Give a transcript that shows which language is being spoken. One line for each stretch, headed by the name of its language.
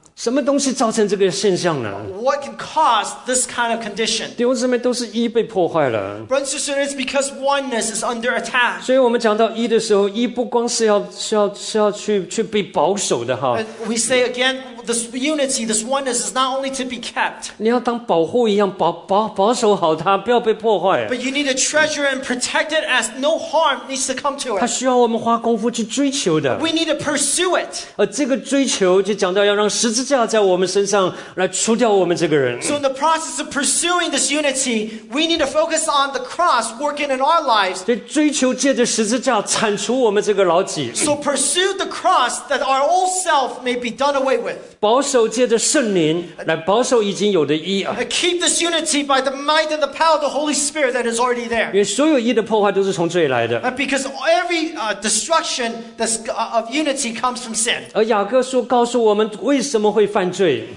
Chinese: 什么东西造成这个现象呢？
English: What can cause this kind of condition?
Chinese: 弟兄姊妹，都是一被破坏了。
English: Brothers and sisters, it's because oneness is under attack.
Chinese: 所以我们讲到一的时候，一不光是要去被保守的哈。
English: We say again, this unity, this oneness is not only to be kept.
Chinese: 你要当保护一样保守好它，不要被破坏。
English: But you need to treasure and protect it as no harm needs to come to it.
Chinese: 它需要我们花功夫去追求的。
English: We need to pursue it.
Chinese: 这个追求就讲到要让十字架在我们身上来除掉我们这个人。
English: So in the process of pursuing this unity, we need to focus on the cross working in our lives.
Chinese: 对，追求借着十字架铲除我们这个老己。
English: So pursue the cross that our old self may be done away with.
Chinese: 保守借着圣灵来保守已经有的义。
English: Keep this unity by the might and the power of the Holy Spirit that is already there.
Chinese: 因为所有义的破坏都是从罪来的。
English: Because every destruction of unity comes from sin.
Chinese: 而雅各书告诉我们为什么会犯罪。